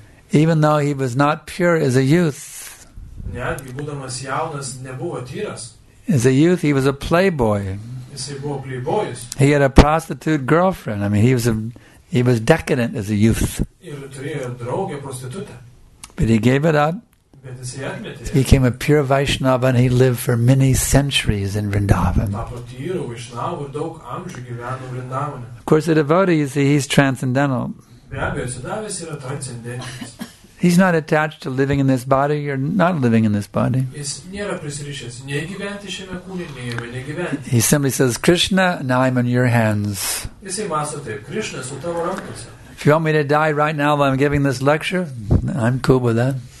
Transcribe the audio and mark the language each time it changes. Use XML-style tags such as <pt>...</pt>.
<en>Even though he was not pure as a youth,</en> <lt>netgi būdamas jaunas, nebuvo tyras.</lt> <en>As a youth, he was a playboy.</en> <lt>Jis buvo playboyus.</lt> <en>He had a prostitute girlfriend. I mean, he was decadent as a youth.</en> <lt>Ir turėjo draugę prostitutę.</lt> <en>But he gave it up.</en> <lt>Bet jis atmetė.</lt> <en>He became a pure Vaishnava and he lived for many centuries in Vrindavan.</en> <lt>Tapo tyru Vaishnava ir daug amžių gyveno Vrindavane.</lt> <en>Of course, a devotee, you see, he's transcendental.</en> <lt>Be abejo, sudavęs yra transcendentinis.</lt> <en>He's not attached to living in this body, you're not living in this body. He simply says, Krishna, now I'm in your hands. If you want me to die right now while I'm giving this lecture, I'm cool with that.</en>